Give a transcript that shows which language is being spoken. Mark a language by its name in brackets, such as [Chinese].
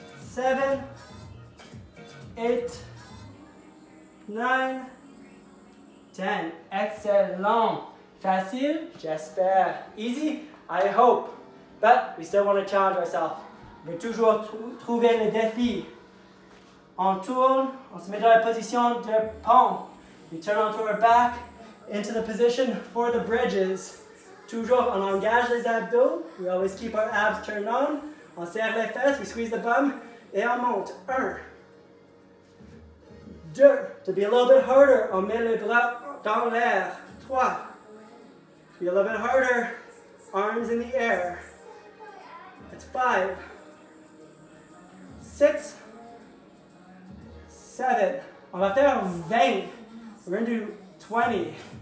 [French] 7, 8, 9, 10. Excellent. Facile? J'espère. [English] Easy? I hope. But we still want to challenge ourselves. [French] On veut toujours trouver le défi. On tourne, on se met dans la position de pont. [English] We turn onto our back into the position for the bridges. [French] Toujours, on engage les abdos. [English] We always keep our abs turned on. [French] On serre les fesses, [English] we squeeze the bum. [French] Et on monte. [English] 1, 2, to be a little bit harder, [French] on met les bras dans l'air. [English] 3, to be a little bit harder, arms in the air. That's 5, 6, 7, [French] on va faire 20, [English] we're going to do 20.